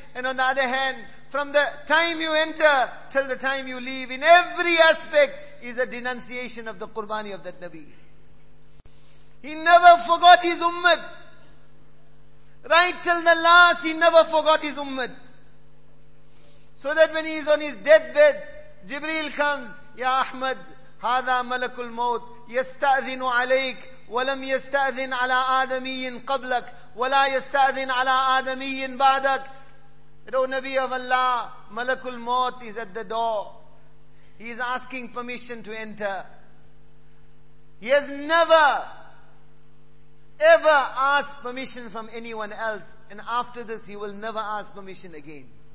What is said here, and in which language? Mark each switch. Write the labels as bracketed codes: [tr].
[en] And on the other hand, from the time you enter till the time you leave, in every aspect is a denunciation of the qurbani of that Nabi. He never forgot his ummah. Right till the last, he never forgot his ummah. So that when he is on his deathbed, Jibreel comes, Ya Ahmad, Hada Malakul Maut. [ar] يستأذن عليك ولم يستأذن على آدمي قبلك ولا يستأذن على آدمي بعدك. [en] O Nabi of Allah, Malakul Maut is at the door. He is asking permission to enter. He has never ever ask permission from anyone else, and after this he will never ask permission again.